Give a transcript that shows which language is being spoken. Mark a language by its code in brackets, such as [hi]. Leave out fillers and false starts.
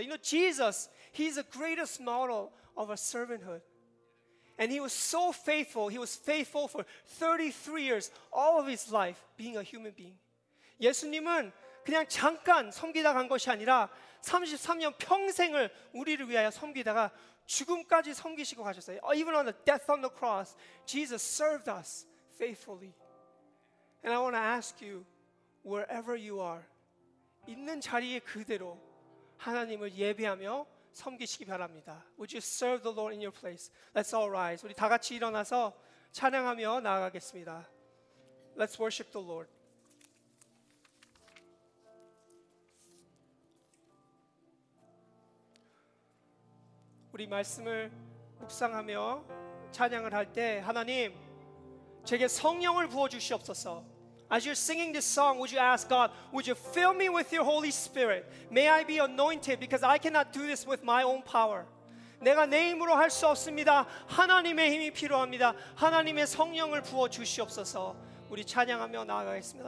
[en] You know, Jesus, he's the greatest model of a servanthood. And he was so faithful. He was faithful for 33 years, all of his life, being a human being. [ko] 예수님은 그냥 잠깐 섬기다 간 것이 아니라 33년 평생을 우리를 위하여 섬기다가 죽음까지 섬기시고 가셨어요. [en] Even on the death on the cross, Jesus served us faithfully. And I want to ask you, wherever you are, [ko] 있는 자리에 그대로 하나님을 예배하며 섬기시기 바랍니다. [en] Would you serve the Lord in your place? Let's all rise. [ko] 우리 다 같이 일어나서 찬양하며 나아가겠습니다. [en] Let's worship the Lord. We [ko] 말씀을 묵상하며 찬양을 할 때 하나님 제게 성령을 부어 주시옵소서. [en] As you're singing this song, would you ask God, would you fill me with your Holy Spirit? May I be anointed because I cannot do this with my own power. [ko] 내가 내 힘으로 할 수 없습니다. 하나님의 힘이 필요합니다. 하나님의 성령을 부어 주시옵소서. 우리 찬양하며 나아가겠습니다.